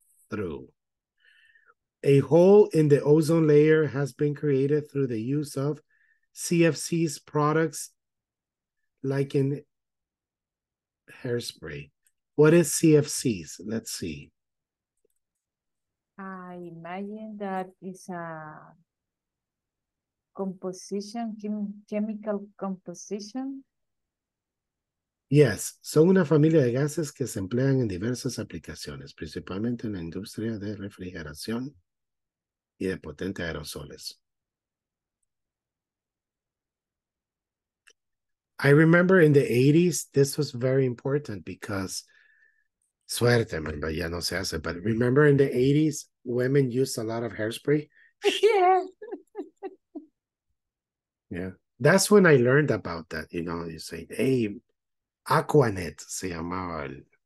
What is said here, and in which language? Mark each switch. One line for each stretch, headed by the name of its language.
English: Through a hole in the ozone layer has been created through the use of CFCs products like in hairspray. What is CFCs? Let's see. I imagine that is a composition, chemical composition?
Spanish: Yes, son una familia de gases que se emplean en diversas aplicaciones, principalmente en la industria de refrigeración y de potentes aerosoles.
English: I remember in the 80s, this was very important because suerte, but
Spanish: ya no se hace.
English: But remember in the 80s, women used a lot of hairspray? Yeah. Yeah. That's when I learned about that. You know, you say, hey, Aquanet
Spanish: se llamaba. El...